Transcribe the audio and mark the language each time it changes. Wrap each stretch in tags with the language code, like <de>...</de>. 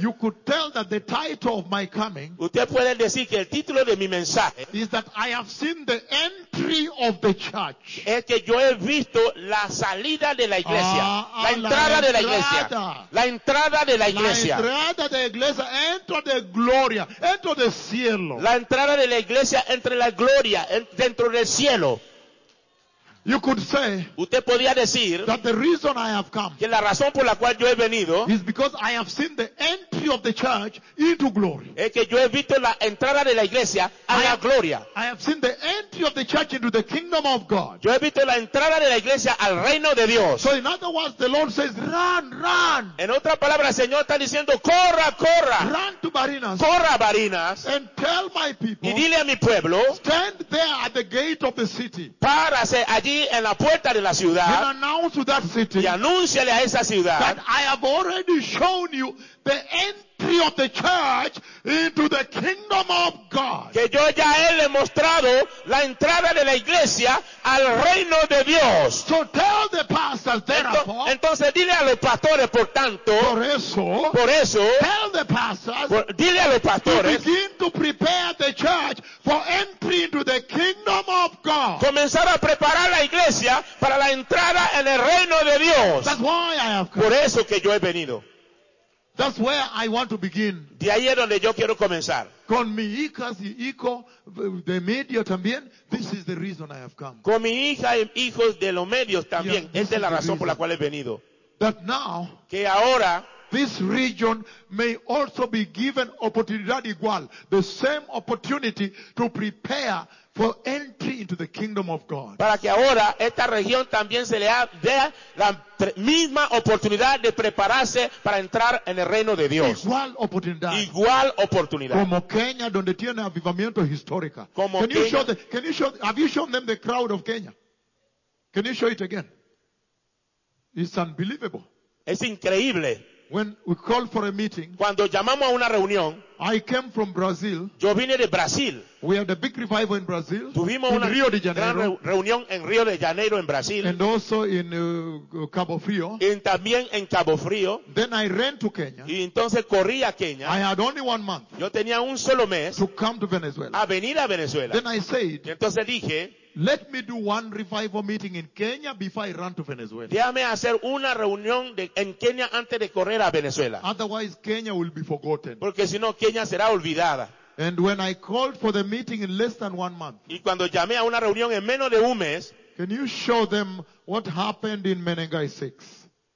<en>You could tell that the title of my coming.</en> <es>Usted puede decir que el título de mi mensaje.</es> <en>Is that I have seen the entry of the church.</en> <es>Es que yo he visto la salida de la iglesia. La entrada de la iglesia. La entrada de la iglesia. Entra de gloria. Entra de cielo. La entrada de la iglesia entre la gloria dentro del cielo.</es> <en>You could say</en> <es>usted podía decir</es> <en>that the reason I have come</en> <es>que la razón por la cual yo he venido</es> <en>is because I have seen the entry of the church into glory.</en> <es>Es que yo he visto la entrada de la iglesia a la gloria.</es> <en>I have seen the entry of the church into the kingdom of God.</en> <es>Yo he visto la entrada de la iglesia al reino de Dios.</es> <en>So in other words, the Lord says, run, run.</en> <es>En otra palabra, el Señor está diciendo, corra, corra.</es> <en>Run to Barinas.</en> <es>Corra, Barinas.</es> <en>And tell my people.</en> <es>Y dile a mi pueblo.</es> <en>Stand there at the gate of the city.</en> <es>Párase allí en la puerta de la ciudad</es> <en>city,</en> <es>y anúnciale a esa ciudad</es> <en>that I have already shown you the entry of the church into the kingdom of God.</en> <es>Que yo ya he demostrado la entrada de la iglesia al reino de Dios.</es> <en>So tell the pastors,</en> <es>entonces dile a los pastores, por tanto, por eso</es> <en>tell the pastors,</en> <es>dile a los pastores,</es> <en>to begin to prepare the church for entry into the kingdom of God.</en> <es>Comenzar a preparar la iglesia para la entrada en el reino de Dios.</es> <en>That's why I have come.</en> <es>Por eso que yo he venido.</es> <en>That's where I want to begin.</en> <es>De ahí es donde yo quiero comenzar. Con mi hija, si hijo de medio también,</es> <en>this is the reason I have come.</en> <es>Con mi hija y hijos de los medios también, yeah, esta es la razón por la cual he venido.</es> <en>That now,</en> <es>que ahora,</es> <en>this region may also be given</en> <es>oportunidad igual,</es> <en>the same opportunity to prepare for entry into the kingdom of God.</en> <es>Para que ahora esta región también se le dé la misma oportunidad de prepararse para entrar en el reino de Dios. Igual oportunidad. Como Kenia, donde tiene avivamiento histórico. Como Kenia.</es> <en>Have you shown them the crowd of Kenya? Can you show it again? It's unbelievable.</en> <es>Es increíble.</es> <en>When we call for a meeting,</en> <es>cuando llamamos a una reunión,</es> <en>I came from Brazil.</en> <es>Yo vine de Brasil.</es> <en>We had a big revival in Brazil.</en> <es>Tuvimos</es> <en>in</en> <es>una Rio de Janeiro, gran reunión en Río de Janeiro en Brasil.</es> <en>And also in Cabo Frio.</en> <es>Y también en Cabo Frio.</es> <en>Then I ran to Kenya.</en> <es>Y entonces corrí a Kenia.</es> <en>I had only 1 month.</en> <es>Yo tenía un solo mes.</es> <en>To come to Venezuela.</en> <es>A venir a Venezuela.</es> <en>Then I said.</en> <es>Y entonces dije.</es> <en>Let me do one revival meeting in Kenya before I run to Venezuela.</en> <es>Déjame hacer una reunión en Kenia antes de correr a Venezuela.</es> <en>Otherwise, Kenya will be forgotten.</en> <es>Porque si no, Kenia será olvidada.</es> <en>And when I called for the meeting in less than 1 month.</en> <es>Y cuando llamé a una reunión en menos de un mes.</es> <en>Can you show them what happened in Menengai 6?</en>